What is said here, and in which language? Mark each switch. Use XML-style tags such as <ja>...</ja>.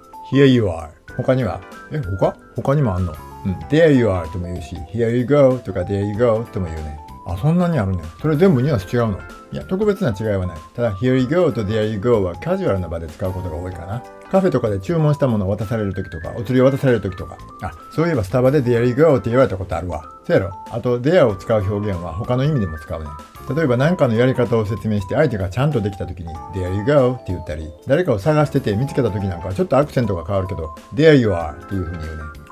<en>Here you are。</en> <ja>他には？え、他？他にもあんの？</ja> <en>There you are</en> <ja>とも言うし、</ja> <en>Here you go</en> <ja>とか</ja> <en>There you go</en> <ja>とも言うね。あ、そんなにあるね。それ全部ニュアンス違うの？いや、特別な違いはない。ただ</ja> <en>Here you go</en> <ja>と</ja> <en>There you go</en> <ja>はカジュアルな場で使うことが多いかな。カフェとかで注文したものを渡される時とか、お釣りを渡される時とか。あ、そういえばスタバで</ja> <en>There you go</en> <ja>って言われたことあるわ。せやろ。あと There を使う表現は他の意味でも使うね。例えば何かのやり方を説明して相手がちゃんとできた時に</ja> <en>There you go</en> <ja>って言ったり、誰かを探してて見つけた時なんかちょっとアクセントが変わるけど</ja> <en>There you are</en> <ja>っていう風に言うね。</ja>